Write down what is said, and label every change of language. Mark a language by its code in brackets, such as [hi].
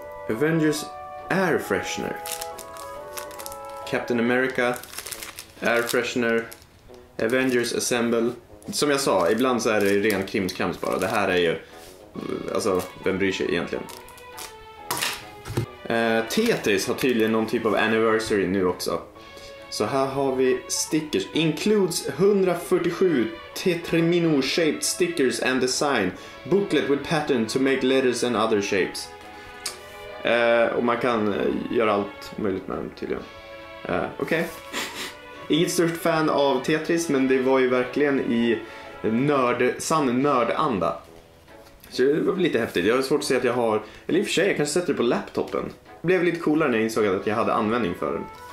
[en] Avengers Air Freshener. Captain America Air Freshener. [sv] Avengers Assemble. Som jag sa, ibland så är det ren krimskrams bara. Det här är ju... Alltså, vem bryr sig egentligen? Tetris har tydligen någon typ av anniversary nu också. Så här har vi stickers. [en] Includes 147 tetrimino shaped stickers and design. Booklet with pattern to make letters and other shapes. [sv] Och man kan göra allt möjligt med dem tydligen. Okej. Okay. Inget störst fan av Tetris, men det var ju verkligen i sann nördanda. Så det var lite häftigt. Jag har svårt att se att jag har... Eller i och för sig, jag kanske sätter det på laptopen. Det blev lite coolare när jag insåg att jag hade användning för den.